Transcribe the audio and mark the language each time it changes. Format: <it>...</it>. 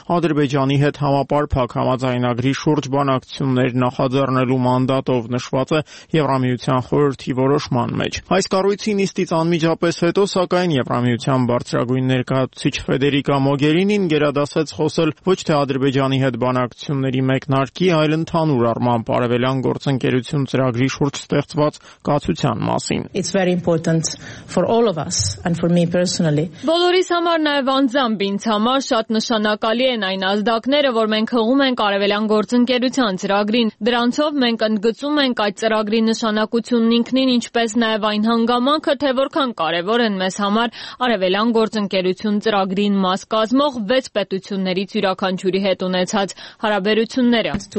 <hy>Ադրբեջանի հետ համապարփակ համաձայնագրի շուրջ բանակցություններ նախաձեռնելու մանդատով նշված Եվրամիության խորհրդի որոշման մեջ։ Այս կառույցի նիստից անմիջապես հետո, սակայն, Եվրամիության բարձրագույն ներկայացուցիչ Ֆեդերիկա Մոգերինին գերադասեց խոսել ոչ թե Ադրբեջանի հետ բանակցությունների մեկնարկի, այլ ընդհանուր առմամբ արևելյան գործընկերություն ծրագրի շուրջ ստեղծված կացության մասին։</hy> <en>It's very important for all of us and for me personally.</en> <hy>Բոլորիս համար, նաև անձամբ ինձ համար շատ նշանակալի են այն ազդակները, որ մենք հղում ենք արևելյան գործընկերության ծրագրին։ Դրանցով մենք ընդգծում ենք այդ ծրագրի նշանակությունն ինքնին, ինչպես նաև այն հանգամանքը, թե որքան կարևոր են մեզ համար արևելյան գործընկերություն ծրագրին մաս կազմող 6 պետություններից յուրաքանչյուրի հետ ունեցած հարաբերությունները.</hy>